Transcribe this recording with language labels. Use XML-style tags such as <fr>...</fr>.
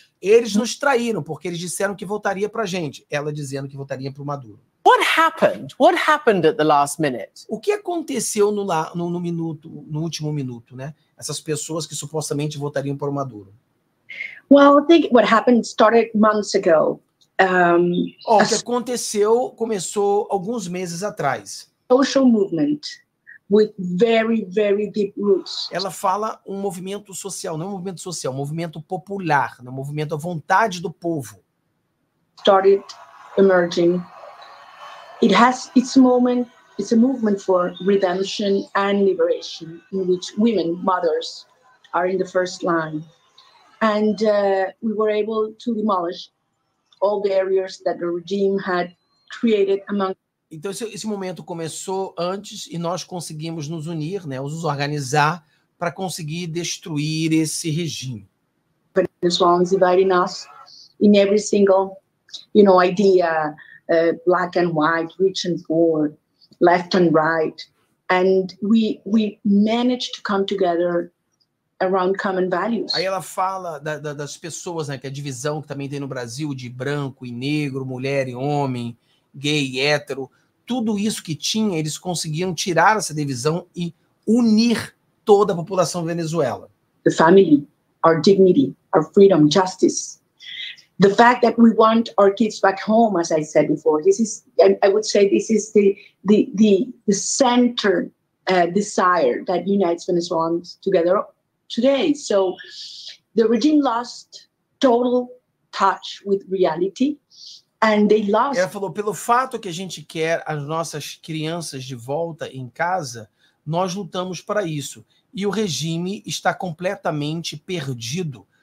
<pt>Eles nos traíram porque eles disseram que votaria para a gente. Ela dizendo que votaria para o Maduro.</pt> <en>What happened? What happened at the last minute?</en> <pt>O que aconteceu no último minuto, né? Essas pessoas que supostamente votariam para o Maduro.</pt> <en>Well, I think what happened started months ago.</en> <pt>Que aconteceu começou alguns meses atrás.</pt> <en>Social movement with very, very deep roots.</en> <pt>Ela fala um movimento social, não um movimento social, um movimento popular, um movimento à vontade do povo.</pt> <en>Started emerging. It has its moment. It's a movement for redemption and liberation, in which women, mothers, are in the first line, and we were able to demolish all barriers that the regime had created among.</en> <pt>Então esse momento começou antes e nós conseguimos nos unir, né, nos organizar para conseguir destruir esse regime.</pt> <en>Venezuelans dividing us in every single, you know, idea. Black and white, rich and poor, left and right, and we managed to come together around common values.</en> <pt>Aí ela fala das pessoas, né, que a divisão que também tem no Brasil de branco e negro, mulher e homem, gay e hétero, tudo isso que tinha, eles conseguiram tirar essa divisão e unir toda a população da Venezuela.</pt> <en>The family, our dignity, our freedom, justice. The fact that we want our kids back home, as I said before, this is, I would say, this is the center desire that unites Venezuelans together today. So the regime lost total touch with reality, and they lost.</en> <pt>Ela falou, pelo fato que a gente quer as nossas crianças de volta em casa, nós lutamos para isso. E o regime está completamente perdido.</pt>